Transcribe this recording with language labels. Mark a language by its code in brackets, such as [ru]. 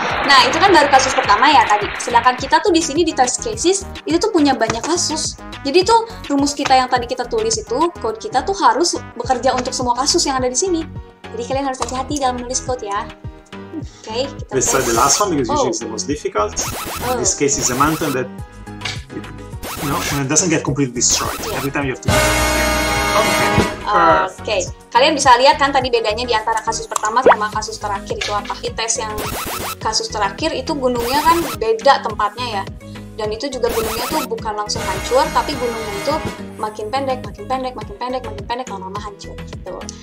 [id] Nah, itu kan baru kasus pertama ya tadi. Sedangkan kita tuh di sini di test cases itu tuh punya banyak kasus. Jadi tuh rumus kita yang tadi kita tulis itu, code kita tuh harus bekerja untuk semua kasus yang ada di sini. Jadi kalian harus hati-hati dalam menulis code ya. Okay, kita [en] let's try the last one because usually it's the most difficult. In this case is a mountain that it doesn't get completely destroyed. Yeah. Every time you have to. Okay. Okay. [id] Kalian bisa lihat kan tadi bedanya di antara kasus pertama sama kasus terakhir itu apa? Kita tes yang kasus terakhir itu gunungnya kan beda tempatnya ya. Dan itu juga gunungnya tuh bukan langsung hancur, tapi gunungnya itu makin pendek, makin pendek, makin pendek, makin pendek, lama-lama hancur gitu.